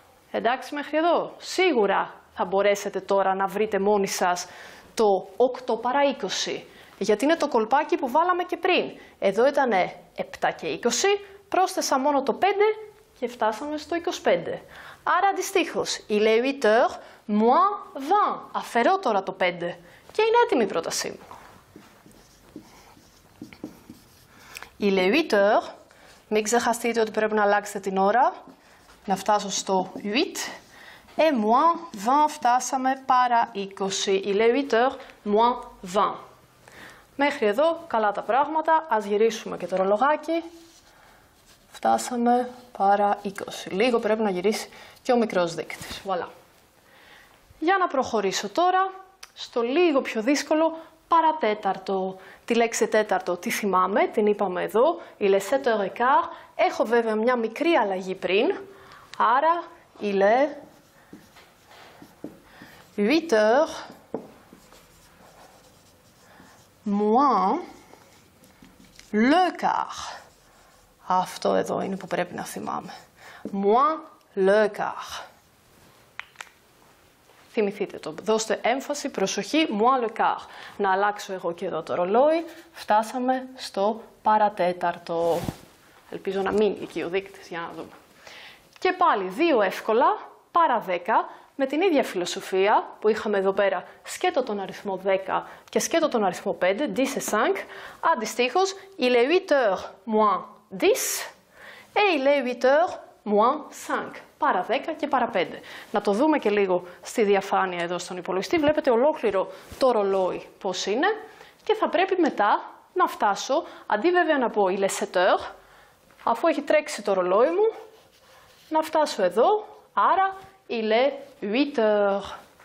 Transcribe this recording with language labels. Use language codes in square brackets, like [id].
[el] Εντάξει μέχρι εδώ. Σίγουρα θα μπορέσετε τώρα να βρείτε μόνοι σας το 8 παρά 20. Γιατί είναι το κολπάκι που βάλαμε και πριν. Εδώ ήταν 7 και 20, πρόσθεσα μόνο το 5 και φτάσαμε στο 25. [fr] Άρα αντιστοίχως, il est 8 heures moins 20. [el] Αφαιρώ τώρα το 5 και είναι έτοιμη η πρότασή μου. [fr] Il est 8 heures. [el] Μην ξεχαστείτε ότι πρέπει να αλλάξετε την ώρα. Να φτάσω στο 8. [fr] Et moins 20, [el] φτάσαμε παρά 20. [fr] Il est 8 heures moins 20. [el] Μέχρι εδώ καλά τα πράγματα. Ας γυρίσουμε και το ρολογάκι. Φτάσαμε παρά 20. Λίγο πρέπει να γυρίσει και ο μικρός δείκτης. Voilà. Για να προχωρήσω τώρα στο λίγο πιο δύσκολο παρατέταρτο. Τη λέξη τέταρτο τη θυμάμαι, την είπαμε εδώ. [fr] Il est 7 heures et quart. [el] Έχω βέβαια μια μικρή αλλαγή πριν. [fr] Άρα, il est 8 heures moins le quart. [el] Αυτό εδώ είναι που πρέπει να θυμάμαι. [fr] Moins le quart. [el] Θυμηθείτε το. Δώστε έμφαση, προσοχή. [fr] Moins le quart. [el] Να αλλάξω εγώ και εδώ το ρολόι. Φτάσαμε στο παρατέταρτο. Ελπίζω να μείνει εκεί ο δείκτης για να δούμε. Και πάλι δύο εύκολα, παρά 10, με την ίδια φιλοσοφία που είχαμε εδώ πέρα σκέτο τον αριθμό 10 και σκέτο τον αριθμό 5, [fr] 10 et 5. Αντιστοίχως, il est 8 heures moins 10 et il est 8 heures moins 5. [el] Παρά 10 και παρά 5. Να το δούμε και λίγο στη διαφάνεια εδώ στον υπολογιστή. Βλέπετε ολόκληρο το ρολόι πώς είναι. Και θα πρέπει μετά να φτάσω, αντί βέβαια να πω [fr] il est 7 heures, [el] αφού έχει τρέξει το ρολόι μου, να φτάσω εδώ, άρα [fr] il est 8 heures.